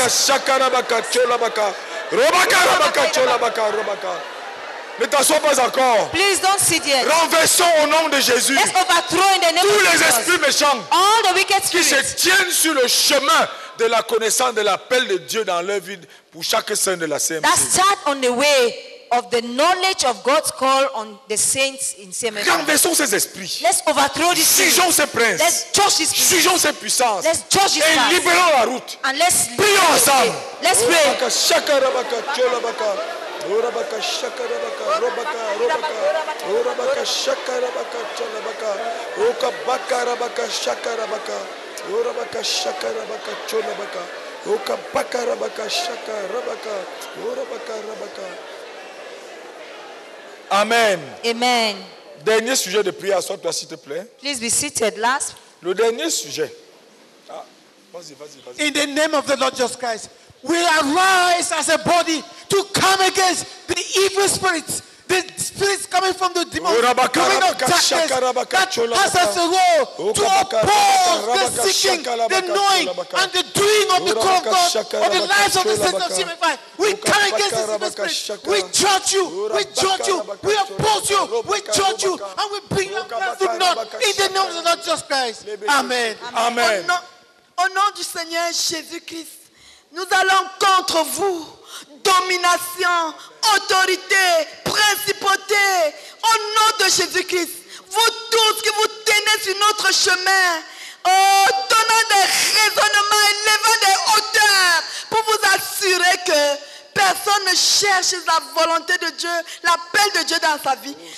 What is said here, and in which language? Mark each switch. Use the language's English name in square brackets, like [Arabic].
[French] Chaque rabaka, cholabaka. Rabaka, rabaka, cholabaka, rabaka. Ne t'assois pas encore. [English] Please don't sit yet. [French] Renversons au nom de Jésus. [English] Let's overthrow in the name of Jesus. [French] Tous les esprits méchants. [English] All the wicked spirits. [French] Qui se tiennent sur le chemin de la connaissance de l'appel de Dieu dans leur vie pour chaque saint de la CMC. [English] That start on the way of the knowledge of God's call on the saints in CMC. [French] Renversons ces esprits. [English] Let's overthrow this. [French] Jugeons ces princes. [English] Let's judge his [French] spirit. Jugeons ces puissances. [English] Let's judge his [French] spirit. Et libérons la route. [English] And let's [French] prions ensemble. [English] Let's pray. Chaque rabaka, cholabaka. Rabaka shakarabaka robaka robaka rabaka shakarabaka cholabaka oka bakarabaka shakarabaka rabaka shakarabaka cholabaka oka bakarabaka shakarabaka rabaka rabaka. Amen. Amen. [French] Dernier sujet de prière, assois-toi s'il te plaît. [English] Please be seated. Last. [French] Le dernier sujet. Vas-y. [English] In the name of the Lord Jesus Christ, we arise as a body to come against the evil spirits, the spirits coming from the demon, coming of darkness, that has as a role to oppose the seeking, the knowing, and the doing of the call of God on the lives of the saints of CMFI. We come against this evil spirit. We judge you. We judge you. We oppose you. We judge you. And we bring you to naught in the name of the Lord Jesus Christ. Amen. Amen. [French] Au nom du Seigneur Jésus-Christ, nous allons contre vous, domination, autorité, principauté, au nom de Jésus-Christ, vous tous qui vous tenez sur notre chemin, donnant des raisonnements, élevant des hauteurs, pour vous assurer que personne ne cherche la volonté de Dieu, l'appel de Dieu dans sa vie.